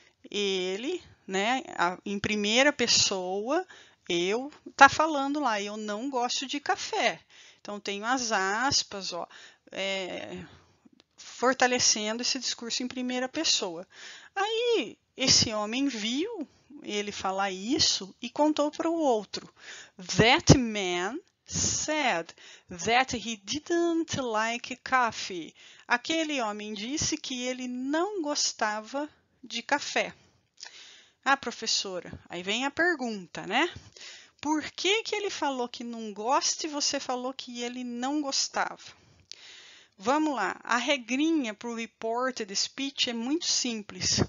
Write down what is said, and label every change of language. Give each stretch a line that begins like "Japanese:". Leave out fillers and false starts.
Portuguese: Ele, né, em primeira pessoa, eu, tá falando lá, eu não gosto de café. Então, tenho as aspas, ó, fortalecendo esse discurso em primeira pessoa. Aí, esse homem viu ele falar isso e contou para o outro.
English: That man said that he didn't like coffee.
Portuguese: Aquele homem disse que ele não gostava de café. Ah, professora, aí vem a pergunta, né? Por que que ele falou que não gosta e você falou que ele não gostava? Vamos lá, a regrinha para o reported speech é muito simples.